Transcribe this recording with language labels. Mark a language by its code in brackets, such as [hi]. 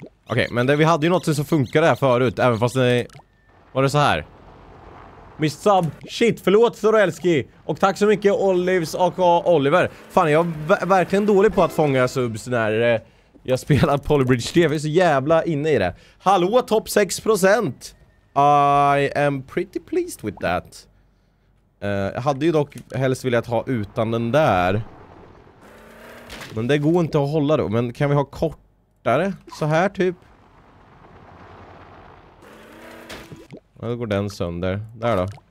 [sv] Okej, okay, men det, vi hade ju något som funkade här förut. Även fast det... Var det så här? Miss Sub. Shit, förlåt Sorelski. Och tack så mycket Olivs och Oliver. Fan, jag är verkligen dålig på att fånga subs när jag spelar Polybridge TV. Så jävla inne i det. Hallå, topp 6%. [en] I am pretty pleased with that. [sv] Jag hade ju dock helst velat ha utan den där. Men det går inte att hålla då. Men kan vi ha kortare? Så här typ. Då går den sönder. Där då.